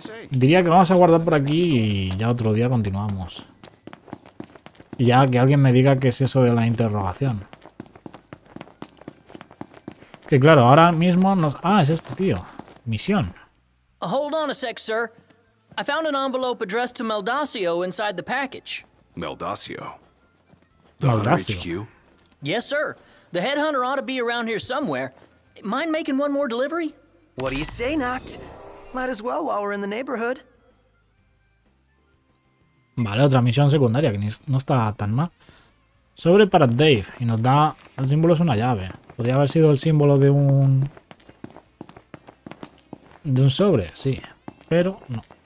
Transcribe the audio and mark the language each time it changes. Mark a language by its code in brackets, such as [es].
[es] Diría que vamos a guardar por aquí y ya otro día continuamos. Y ya que alguien me diga qué es eso de la interrogación. Que claro, ahora mismo nos... Ah, es este tío. Misión. [en] Hold on a sec, sir. I found an envelope addressed to Meldacio inside the package. Meldacio. Meldacio. Yes, sir. The headhunter ought to be around here somewhere. Mind making one more delivery? What do you say, Noct? Might as well while we're in the neighborhood. [es] Vale, otra misión secundaria que no está tan mal. Sobre para Dave y nos da... El símbolo es una llave. Podría haber sido el símbolo de un... De un sobre, sí. Pero no.